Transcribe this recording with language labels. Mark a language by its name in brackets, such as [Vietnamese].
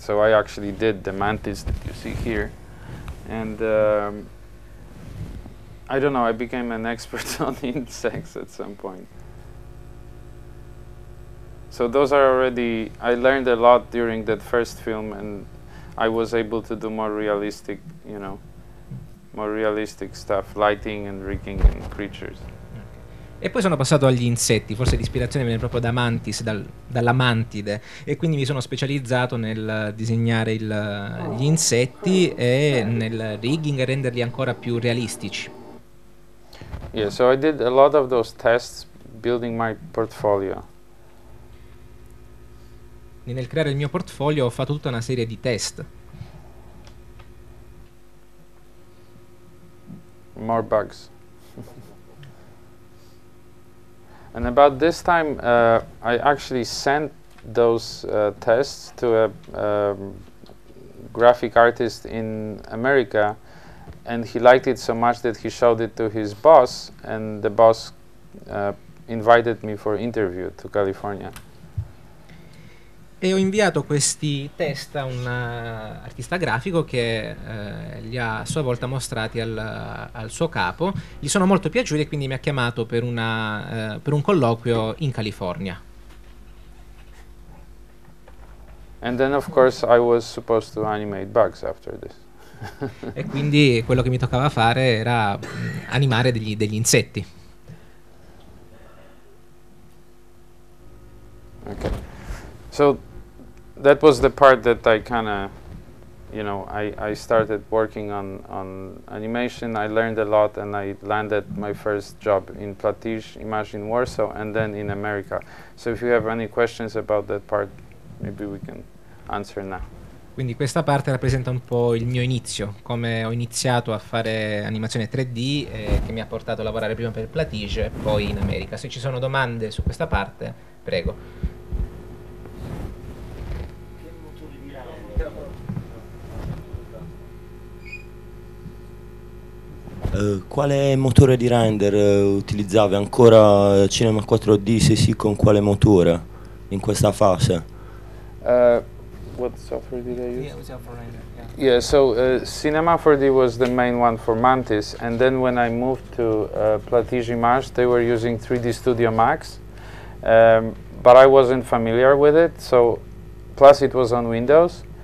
[English] So I actually did the mantis that you see here, and I don't know, I became an expert on insects at some point. So those are already, I learned a lot during that first film, and I was able to do more realistic, you know, more realistic stuff, lighting and rigging and creatures. [Italian] E poi sono passato agli insetti, forse l'ispirazione viene proprio da mantis, dalla mantide, e quindi mi sono specializzato nel disegnare gli insetti e nel rigging, e renderli ancora più realistici. [English] Yeah, so I did a lot of those tests building my portfolio. [Italian] E nel creare il mio portfolio ho fatto tutta una serie di test. [English] More bugs. And about this time, I actually sent those tests to a graphic artist in America, and he liked it so much that he showed it to his boss, and the boss invited me for interview to California. [Italian] E ho inviato questi test a un artista grafico che li ha a sua volta mostrati al suo capo. Gli sono molto piaciuti, e quindi mi ha chiamato per un colloquio in California. [English] And then of course I was supposed to animate bugs after this. [Italian] E quindi quello che mi toccava fare era animare degli insetti. [English] Okay. So that was the part that I kind of, you know, I started working on animation. I learned a lot, and I landed my first job in Platige Image in Warsaw, and then in America. So if you have any questions about that part, maybe we can answer now. [Italian] Quindi questa parte rappresenta un po' il mio inizio, come ho iniziato a fare animazione 3D, che mi ha portato a lavorare prima per Platige e poi in America. Se ci sono domande su questa parte, prego. Uh, Quale motore di render utilizzavi? Ancora Cinema 4D? Se sì, con quale motore in questa fase? [English] What software did I use? Yeah, it was for render. Yeah, so Cinema 4D was the main one for Mantis, and then when I moved to Platige Image, they were using 3D Studio Max, but I wasn't familiar with it, so plus it was on Windows.